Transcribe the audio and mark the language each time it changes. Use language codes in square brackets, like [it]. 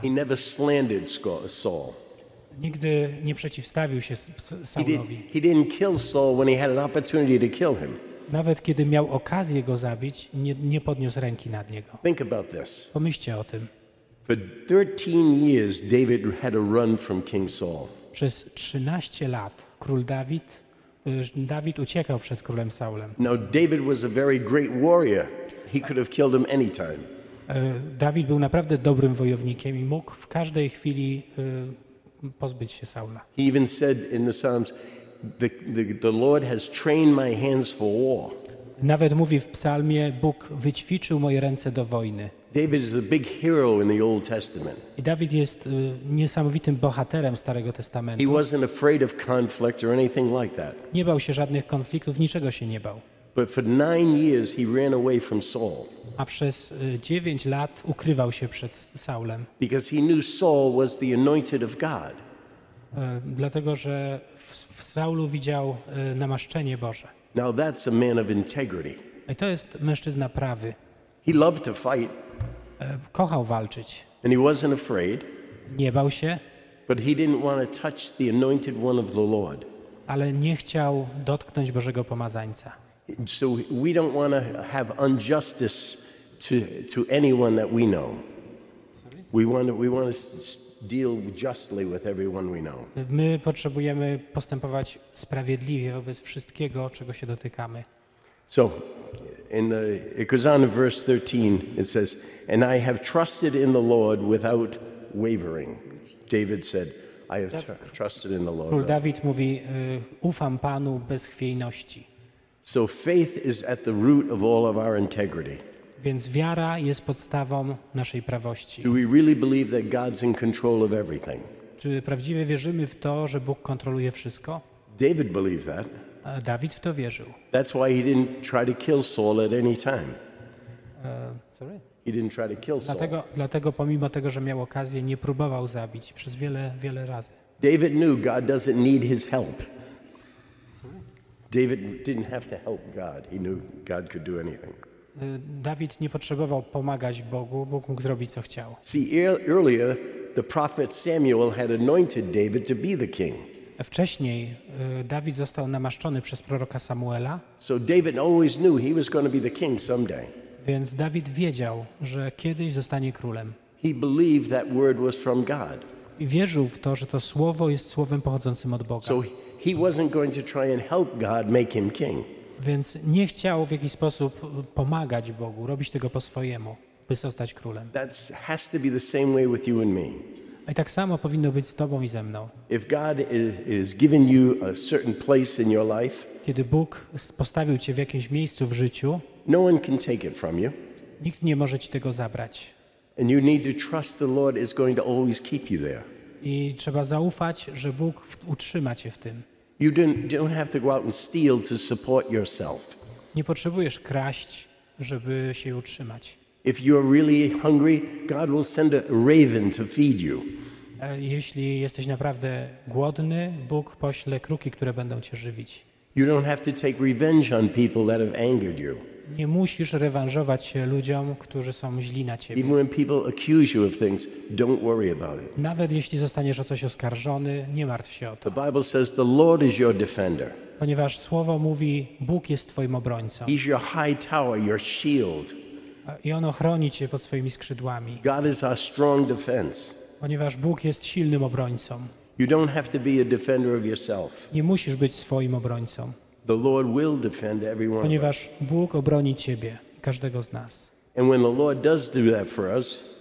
[en] He never slandered Saul. [pl] Nigdy nie przeciwstawił się Saulowi. [en] He didn't kill Saul when he had an opportunity to kill him. [pl] Nawet kiedy miał okazję go zabić, nie podniósł ręki nad niego. [en] Think about this. [pl] Pomyślcie o tym. [en] For 13 years David had to run from King Saul. [pl] Przez 13 lat król Dawid uciekał przed królem Saulem. [en] Now David was a very great warrior. He could have killed him anytime. [pl] Dawid był naprawdę dobrym wojownikiem i mógł w każdej chwili pozbyć się Saula. [en] He even said in the Psalms, the Lord has trained my hands for war. [pl] Nawet mówi w psalmie, Bóg wyćwiczył moje ręce do wojny. [en] David is a big hero in the Old Testament. [pl] I Dawid jest niesamowitym bohaterem Starego Testamentu. [en] He wasn't afraid of conflict or anything like that. [pl] Nie bał się żadnych konfliktów, niczego się nie bał. [en] But for 9 years he ran away from Saul. [pl] A przez 9 lat ukrywał się przed Saulem. [en] Because he knew Saul was the anointed of God. [pl] Dlatego, że w Saulu widział namaszczenie Boże. [en] Now that's a man of integrity. [pl] I to jest mężczyzna prawy. [en] He loved to fight. [pl] Kochał walczyć. [en] And he wasn't afraid. [pl] Nie bał się. [en] But he didn't want to touch the anointed one of the Lord. [pl] Ale nie chciał dotknąć Bożego pomazańca. [en] So we don't want to have injustice to anyone that we know. We want to deal justly with everyone we know. [pl] My potrzebujemy postępować sprawiedliwie wobec wszystkiego, czego się dotykamy. [en] So in the it goes on in verse 13 it says, and I have trusted in the Lord without wavering. David said, I have trusted in the Lord. [pl] Król Dawid mówi, ufam Panu bez chwiejności. [en] So faith is at the root of all of our integrity. [pl] Więc wiara jest podstawą naszej prawości. [en] Do we really believe that God's in control of everything? [pl] Czy prawdziwie wierzymy w to, że Bóg kontroluje wszystko? [en] David believed that. [pl] Dawid w to wierzył. [en] That's why he didn't try to kill Saul at any time. He didn't try to kill Saul. [pl] Dlatego pomimo tego, że miał okazję, nie próbował zabić przez wiele razy. [en] David knew God doesn't need his help. David didn't have to help God. He knew God could do anything. [pl] Dawid nie potrzebował pomagać Bogu, Bóg mógł zrobić co chciał. [en] See, earlier the prophet Samuel had anointed David to be the king. [pl] Wcześniej Dawid został namaszczony przez proroka Samuela. [en] So David always knew he was going to be the king someday. [pl] Więc Dawid wiedział, że kiedyś zostanie królem. [en] He believed that word was from God. [pl] I wierzył w to, że to słowo jest słowem pochodzącym od Boga. [en] So he wasn't going to try and help God make him king. [pl] Więc nie chciał w jakiś sposób pomagać Bogu, robić tego po swojemu, by zostać królem. [en] That's has to be the same way with you and me. [pl] I tak samo powinno być z tobą i ze mną. [en] If God is given you a certain place in your life, [pl] kiedy Bóg postawił cię w jakimś miejscu w życiu, [en] no one can take it from you. [pl] Nikt nie może ci tego zabrać. [en] And you need to trust the Lord is going to always keep you there. [pl] I trzeba zaufać, że Bóg utrzyma cię w tym. [en] You don't have to go out and steal to support yourself. [pl] Nie potrzebujesz kraść, żeby się utrzymać. [en] If you're really hungry, God will send a raven to feed you. [pl] Jeśli jesteś naprawdę głodny, Bóg pośle kruki, które będą cię żywić. [en] You don't have to take revenge on people that have angered you. [pl] Nie musisz rewanżować się ludziom, którzy są źli na ciebie. [en] Even when people accuse you of things, don't worry about it. [pl] Nawet jeśli zostaniesz o coś oskarżony, nie martw się o to. [en] The Bible says the Lord is your defender. [pl] Ponieważ słowo mówi, Bóg jest twoim obrońcą. [en] He's your high tower, your shield. [pl] I on ochroni cię pod swoimi skrzydłami. [en] God is our strong defense. [pl] Ponieważ Bóg jest silnym obrońcą. [en] You don't have to be a defender of yourself. [pl] Nie musisz być swoim obrońcą. [en] The Lord will defend everyone. [pl] Ponieważ Bóg obroni ciebie, każdego z nas. [en] And when the Lord does do that for us,